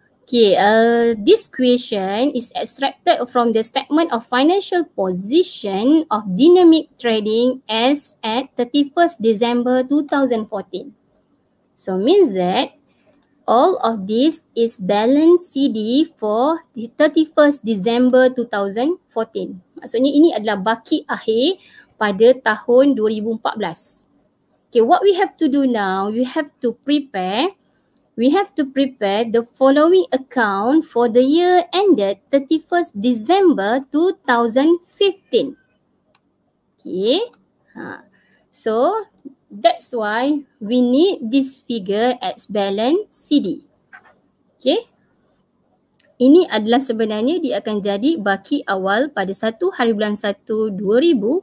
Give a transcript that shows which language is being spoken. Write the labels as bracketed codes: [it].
[en] Okay. This question is extracted from the statement of financial position of Dynamic Trading as at 31st December 2014. So means that all of this is balance CD for the 31st December 2014. [ms] Maksudnya ini adalah baki akhir pada tahun 2014. [en] Okay. What we have to do now, we have to prepare. We have to prepare the following account for the year ended 31st December 2015. Okay. So that's why we need this figure as balance CD. Okay. [ms] Ini adalah sebenarnya dia akan jadi baki awal pada 1 hari bulan 1 2015.